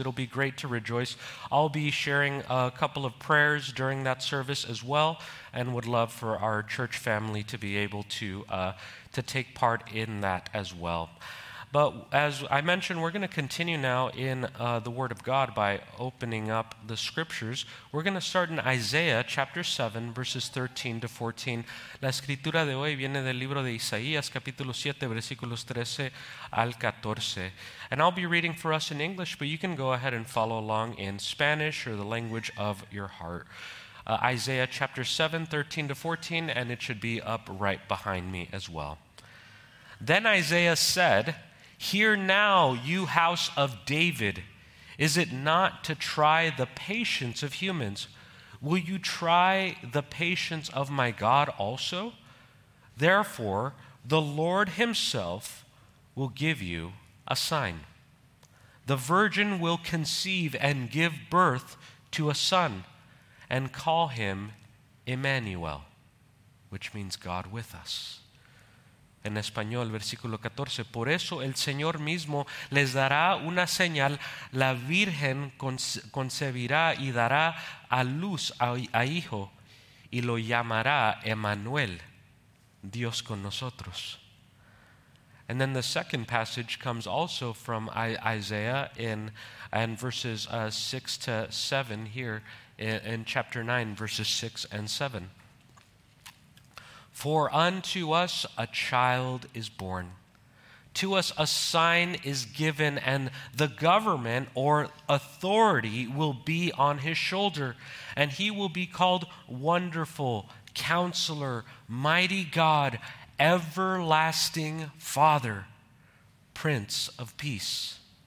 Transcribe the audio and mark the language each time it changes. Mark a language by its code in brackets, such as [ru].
[en] It'll be great to rejoice. I'll be sharing a couple of prayers during that service as well, and would love for our church family to be able to take part in that as well. But as I mentioned, we're going to continue now in the Word of God by opening up the Scriptures. We're going to start in Isaiah chapter 7, verses 13 to 14. [es] La escritura de hoy viene del libro de Isaías, capítulo 7, versículos 13 al 14. [en] And I'll be reading for us in English, but you can go ahead and follow along in Spanish or the language of your heart. Isaiah chapter 7, 13 to 14, and it should be up right behind me as well. Then Isaiah said, "Hear now, you house of David, is it not to try the patience of humans? Will you try the patience of my God also? Therefore, the Lord himself will give you a sign. The virgin will conceive and give birth to a son and call him Emmanuel," which means God with us. [es] En español, versículo 14. "Por eso el Señor mismo les dará una señal. La Virgen concebirá y dará a luz a hijo y lo llamará Emmanuel, Dios con nosotros." [en] And then the second passage comes also from Isaiah in verses 6 to 7 here in chapter 9, verses 6 and 7. "For unto us a child is born, to us a sign is given, and the government or authority will be on his shoulder, and he will be called Wonderful, Counselor, Mighty God, Everlasting Father, Prince of Peace.